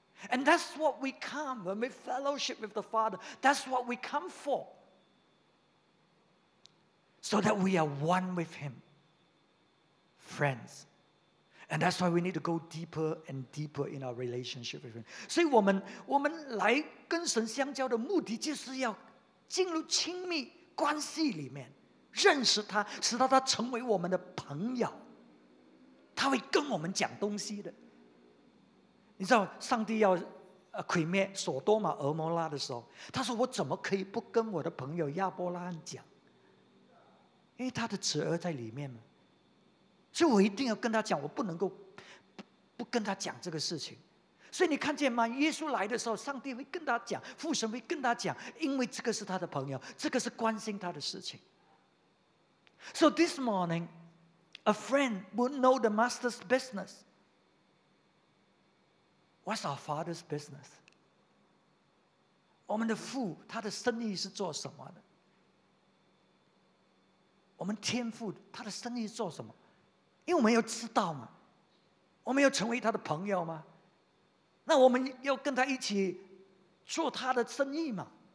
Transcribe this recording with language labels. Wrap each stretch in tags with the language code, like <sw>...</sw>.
<en>And that's what we come when we fellowship with the Father. That's what we come for. So that we are one with him. Friends. And that's why we need to go deeper and deeper in our relationship with him.</en> <zh>所以我们来跟神相交的目的就是要进入亲密关系里面，认识他，使到他成为我们的朋友。他会跟我们讲东西的。你知道上帝要毁灭索多玛俄摩拉的时候，他说我怎么可以不跟我的朋友亚伯拉罕讲，因为他的侄儿在里面嘛，所以我一定要跟他讲，我不能够 不跟他讲这个事情。所以你看见吗？耶稣来的时候，上帝会跟他讲，父神会跟他讲，因为这个是他的朋友，这个是关心他的事情。</zh> <en>So this morning a friend would know the master's businessWhat's our father's business?</en> <zh>我们的父他的生意是做什么的？我们天父他的生意是做什么？因为我们要知道嘛，我们要成为他的朋友嘛，那我们要跟他一起做他的生意嘛。</zh>